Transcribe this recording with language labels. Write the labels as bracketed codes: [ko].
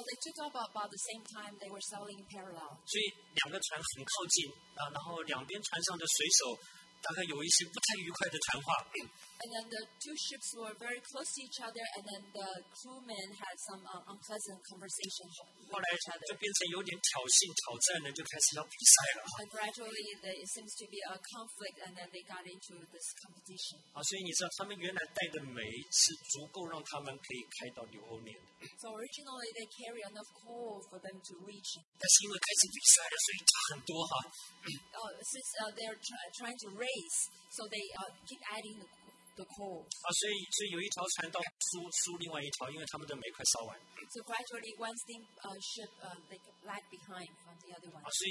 [en] they took off about the same time they were sailing parallel. [zh] 所以两个船很靠近，然后两边船上的水手大概有一些不太愉快的谈话。 [en] And then the two ships were very close to each other, and then the crewmen had some unpleasant conversations with each other. [zh] 后来就变成有点挑衅、挑战了，就开始要比赛了。 [en] And gradually, there seems to be a conflict, and then they got into this competition. [zh] 所以你知道，他们原来带的煤是足够让他们可以开到纽欧联的。 [en] So originally, they carry enough coal for them to reach. [zh] 但是因为开始比赛了，所以差很多哈。 [en] They're trying to race, so they keep adding the coal. [zh] 所以有一条船到输另外一条，因为他们的煤快烧完。So [en] gradually, one steamship they lag behind from the other one.